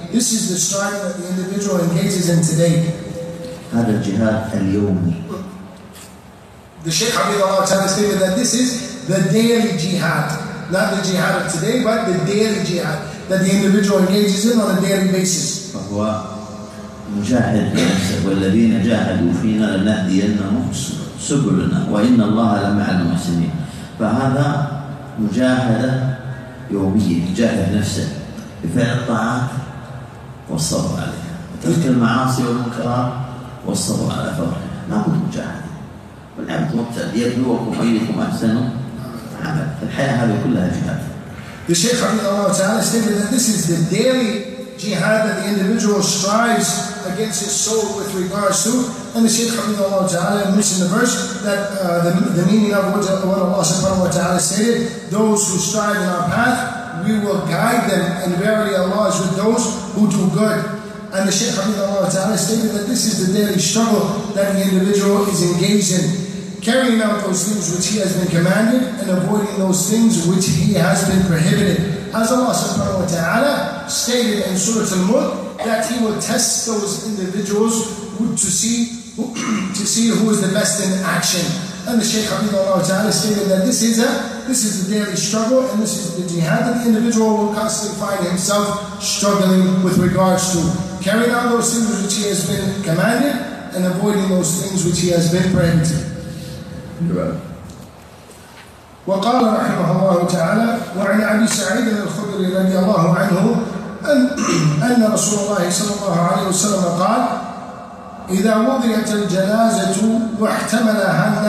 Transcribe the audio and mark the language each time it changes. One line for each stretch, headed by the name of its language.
English: This is the strife that the individual engages in today.
Arabic: هذا الجهاد اليومي.
English: The Shaykh Hafidhullah Ta'ala stated that this is the daily jihad. Not the jihad of today, but the daily jihad that the individual engages in on a daily basis.
Arabic: فهو مجاهد نفسه والذين جاهدوا فينا لنهدينهم سبلنا وإن الله لمع المحسنين. فهذا مجاهدة يومية، يجاهد نفسه بفعل الطاعات والصبر عليها وترك المعاصي والمنكرات والصبر على فرحها. ما هو المجاهد والعبد مبتل يبلوكم ايكم احسن عمل. الحياه هذه كلها جهاد.
English: The Shaykh Hafidhullah Ta'ala stated that this is the daily jihad that the individual strives against his soul with regards to. And the Shaykh Hafidhullah Ta'ala mentioned the verse that the meaning of what Allah Subhanahu wa Ta'ala stated, those who strive in our path, we will guide them, and verily Allah is with those who do good. And the Shaykh Hafidhullah Ta'ala stated that this is the daily struggle that the individual is engaged in, carrying out those things which he has been commanded and avoiding those things which he has been prohibited. As Allah Subhanahu wa Ta'ala stated in Surah Al-Mulk that he will test those individuals to see who is the best in action. And the Shaykh Hafidhullah Ta'ala stated that this is a daily struggle and this is the jihad that the individual will constantly find himself struggling with regards to carrying out those things which he has been commanded and avoiding those things which he has been prohibited.
Arabic: وقال رحمه الله تعالى وعن أبي سعيد الخدري رضي الله عنه أن رسول الله صلى الله عليه وسلم قال إذا وضعت الجنازة واحتملها